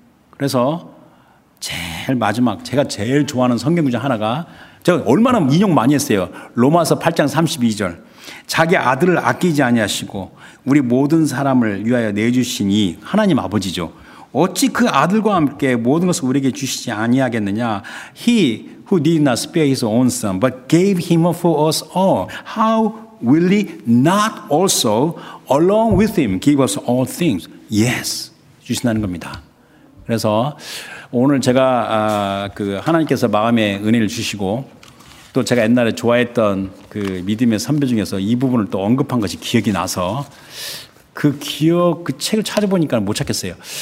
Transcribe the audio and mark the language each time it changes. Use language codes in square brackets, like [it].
[ko] 그래서 제일 마지막 제가 제일 좋아하는 성경 구절 하나가 제가 얼마나 인용 많이 했어요. 로마서 8장 32절. 자기 아들을 아끼지 아니하시고 우리 모든 사람을 위하여 내주신 이 하나님 아버지죠. 어찌 그 아들과 함께 모든 것을 우리에게 주시지 아니하겠느냐. [en] He who did not spare his own son but gave him up for us all. How will he not also along with him give us all things? [ko] Yes. 주신다는 겁니다. 그래서 오늘 제가 그 하나님께서 마음에 은혜를 주시고 또 제가 옛날에 좋아했던 그 믿음의 선배 중에서 이 부분을 또 언급한 것이 기억이 나서 그 기억, 그 책을 찾아보니까 못 찾겠어요.